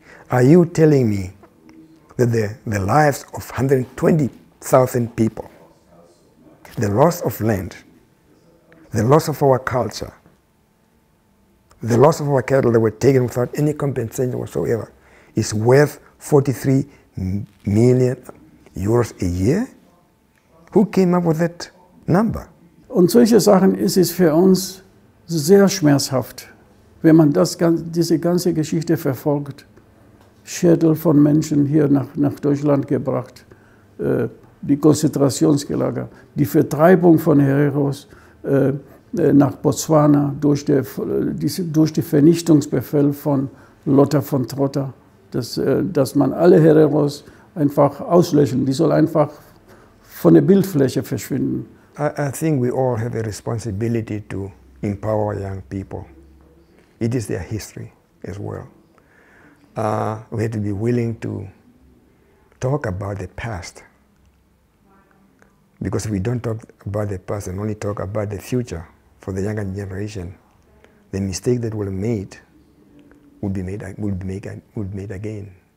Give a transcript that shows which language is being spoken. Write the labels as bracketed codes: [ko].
[en] Are you telling me that the lives of 120,000 people, the loss of land, the loss of our culture, the loss of our cattle that were taken without any compensation whatsoever, is worth 43 million euros a year? Who came up with that number? [de] Und solche Sachen ist es für uns sehr schmerzhaft, wenn man diese ganze Geschichte verfolgt. Schädel von Menschen hier nach Deutschland gebracht, die Konzentrationslager, die Vertreibung von Hereros nach Botswana durch die Vernichtungsbefehl von Lotha von Trotta, dass man alle Hereros einfach auslöschen, die soll einfach von der Bildfläche verschwinden. [en] I think we all have a responsibility to empower young people. It is their history as well. We have to be willing to talk about the past. Because if we don't talk about the past and only talk about the future for the younger generation, the mistake that we made would be made again.